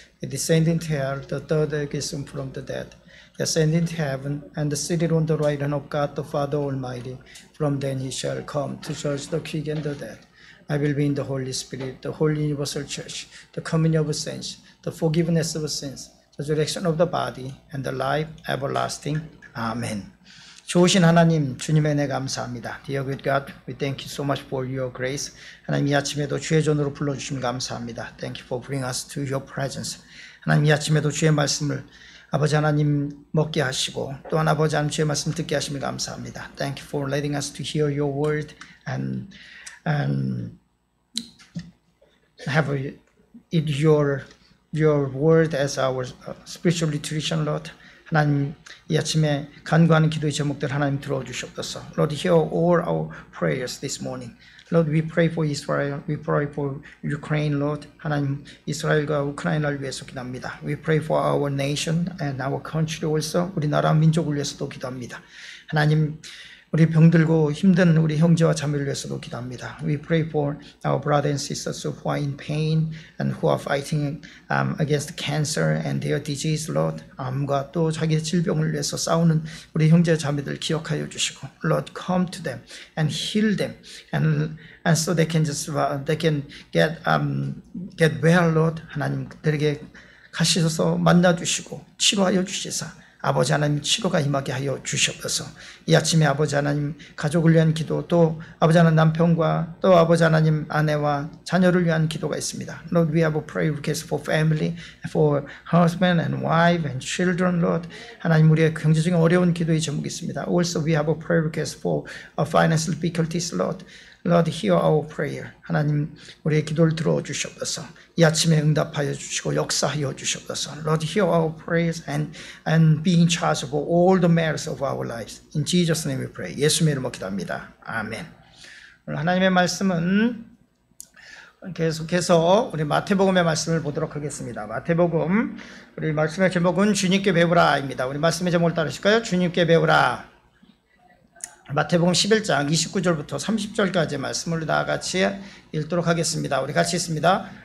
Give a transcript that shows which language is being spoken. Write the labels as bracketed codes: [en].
[en] He descended into hell, the third day risen from the dead. He ascended into heaven and seated on the right hand of God the Father Almighty. From then He shall come to judge the quick and the dead. I believe in the Holy Spirit, the Holy Universal Church, the communion of saints, the forgiveness of sins, the resurrection of the body, and the life everlasting. Amen. [ko] 좋으신 하나님, 주님의 은혜 감사합니다. [en] Dear good God, we thank you so much for your grace. [ko] 하나님, 이 아침에도 주의 전으로 불러주신 감사합니다. [en] Thank you for bringing us to your presence. [ko] 하나님, 이 아침에도 주의 말씀을 아버지 하나님 먹게 하시고 또한 아버지 하나님 주의 말씀 듣게 하시면 감사합니다. [en] Thank you for letting us to hear your word and have it your word as our spiritual nutrition, Lord. [ko] 하나님, 이 아침에 간구하는 기도의 제목들 하나님 들어주셨어서 [en] Lord, hear all our prayers this morning. Lord, we pray for Israel, we pray for Ukraine, Lord. [ko] 하나님, 이스라엘과 우크라이나를 위해서 기도합니다. [en] We pray for our nation and our country also. [ko] 우리나라 민족을 위해서도 기도합니다. 하나님, 우리 병들고 힘든 우리 형제와 자매를 위해서도 기도합니다. [en] We pray for our brothers and sisters who are in pain and who are fighting against cancer and their disease, Lord. [ko] 암과 또 자기 질병을 위해서 싸우는 우리 형제 자매들 기억하여 주시고, [en] Lord, come to them and heal them and so they can just they can get well, Lord. [ko] 하나님, 그들에게 가시셔서 만나 주시고 치료하여 주시사. 아버지 하나님 치료가 임하게 하여 주시옵소서. 이 아침에 아버지 하나님 가족을 위한 기도 또 아버지 하나님 남편과 또 아버지 하나님 아내와 자녀를 위한 기도가 있습니다. [en] Lord, we have a prayer request for family, for husband and wife and children, Lord. [ko] 하나님, 우리의 경제적인 어려운 기도의 제목이 있습니다. [en] Also, we have a prayer request for our financial difficulties, Lord. Lord, hear our prayer. [ko] 하나님, 우리의 기도를 들어주시옵소서. 이 아침에 응답하여 주시고 역사하여 주시옵소서. [en] Lord, hear our prayers and be in charge of all the matters of our lives. In Jesus' name we pray. [ko] 예수의 이름으로 기도합니다. 아멘. 오늘 하나님의 말씀은 계속해서 우리 마태복음의 말씀을 보도록 하겠습니다. 마태복음, 우리 말씀의 제목은 주님께 배우라입니다. 우리 말씀의 제목을 따르실까요? 주님께 배우라. 마태복음 11장 29절부터 30절까지의 말씀을 다 같이 읽도록 하겠습니다. 우리 같이 읽습니다.